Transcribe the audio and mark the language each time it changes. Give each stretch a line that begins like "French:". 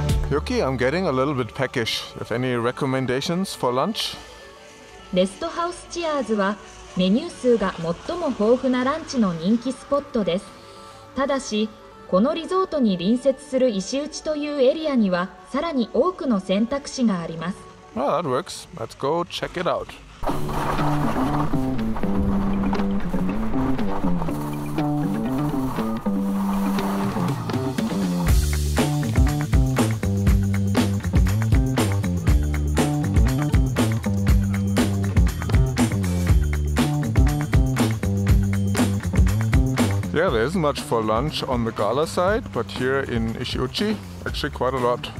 English: Yuki, I'm getting a little bit peckish. Have any recommendations for lunch? Rest House Cheers is the most popular lunch spot in the menu.
Japanese: このリゾートに隣接する石内というエリアには、さらに多くの選択肢があります。
English: Well, that works. Let's go check it out. Yeah, there isn't much for lunch on the Gala side, but here in Ishiuchi, actually quite a lot.